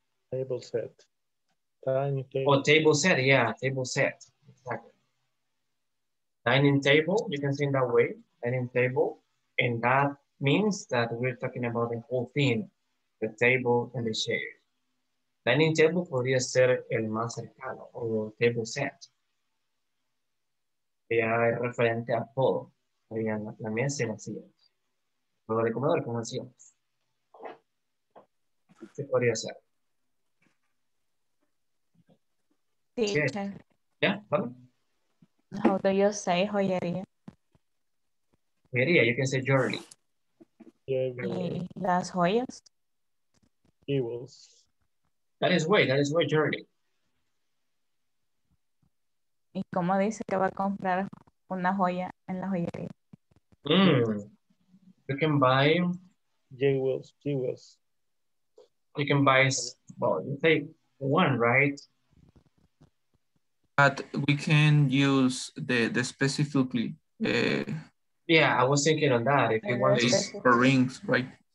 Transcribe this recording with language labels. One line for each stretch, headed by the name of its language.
English: Table set. Table set, yeah. Table set. Exactly. Dining table, you can say in that way. Dining table. And that means that we're talking about the whole thing, the table and the chair.
Spanish: Dining table podría ser el más cercano, o table set. Ya es referente a todo. Sería la mesa y la silla. Todo el comedor, como decíamos. ¿Qué podría ser?
English: Teacher. Yeah, pardon? How do you say joyería? Joyería, you can say jewelry.
Spanish: Las joyas.
English: Jewels. That is way jewelry.
Spanish: ¿Y cómo dice que va a comprar una joya en la joyería?
English: You can buy jewels. You can buy, well, you say one, right? But we can use the specifically. Yeah, I was thinking on that. If you want this for rings, right?